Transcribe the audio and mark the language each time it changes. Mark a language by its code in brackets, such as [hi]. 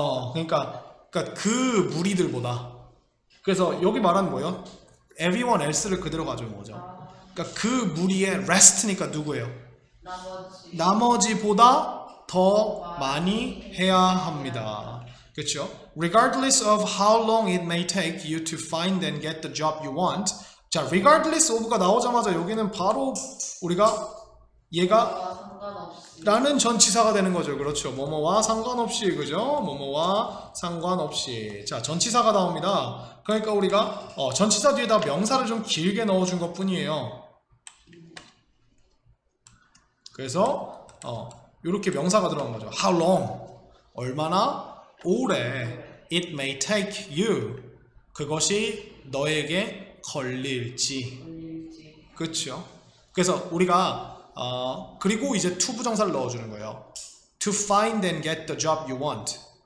[ko] 그러니까 그 무리들보다. 그래서 여기 말한 뭐예요? Everyone else를 그대로 가져온 거죠. 그러니까 그 무리의 rest니까 누구예요? 나머지보다 더 많이 해야 합니다. 그렇죠? [en] Regardless of how long it may take you to find and get the job you want. [ko] 자, regardless of가 나오자마자 여기는 바로 우리가 얘가 라는 전치사가 되는 거죠. 그렇죠? 뭐뭐와 상관없이. 그죠? 뭐뭐와 상관없이. 자, 전치사가 나옵니다. 그러니까 우리가 전치사 뒤에다 명사를 좀 길게 넣어준 것 뿐이에요. 그래서 이렇게 명사가 들어간 거죠. [en] How long? [ko] 얼마나 오래? [en] It may take you. [ko] 그것이 너에게 걸릴지. 그렇죠? 그래서 우리가 그리고 이제 to 부정사를 넣어주는 거예요. [en] To find and get the job you want.